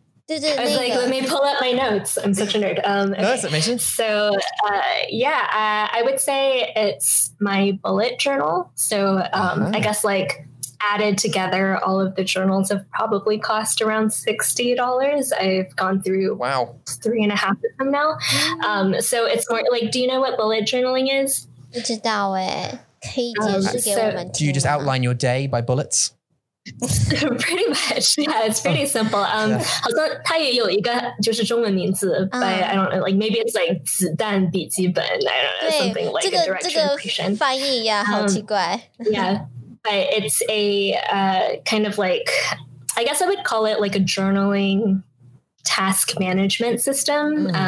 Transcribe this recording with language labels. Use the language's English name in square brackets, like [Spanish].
[English] I was like, let me pull up my notes. I'm such a nerd. I would say it's my bullet journal. So I guess like added together, all of the journals have probably cost around $60. I've gone through 3.5 of them now. So it's more like, do you know what bullet journaling is? [Chinese] 不知道耶，可以解释给我们听吗？ [English] Do you just outline your day by bullets? Pretty much, yeah, it's pretty simple. [Chinese] 好像它也有一个就是中文名字, [English] but I don't know, like maybe it's like [Chinese] 子弹笔记本, [English] I don't know, something like [Chinese] 这个, [English] a direct translation. [Chinese] 这个翻译呀,好奇怪。 [English] Yeah, but it's a kind of like, I guess I would call it like a journaling task management system.